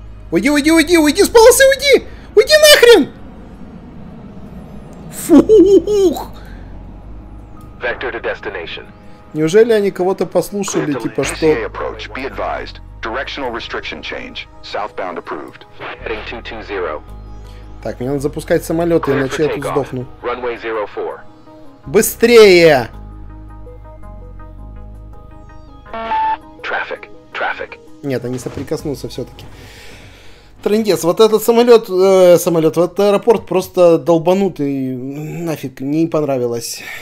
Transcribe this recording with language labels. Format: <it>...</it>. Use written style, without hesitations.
<ru>Уйди, уйди, уйди, уйди с полосы, уйди! Уйди нахрен! Фух!</ru> <en>Vector to destination.</en> <ru>Неужели они кого-то послушали, типа что?</ru> <en>SCA approach, be advised. Directional restriction change. Southbound approved. Heading 220.</en> <ru>Так, мне надо запускать самолет, иначе я тут сдохну.</ru> <en>Runway 04.</en> <ru>Быстрее!</ru> <en>Traffic, traffic.</en> <ru>Нет, они соприкоснутся все-таки. Трындец, вот этот самолет, вот этот аэропорт просто долбанутый, нафиг, не понравилось.</ru>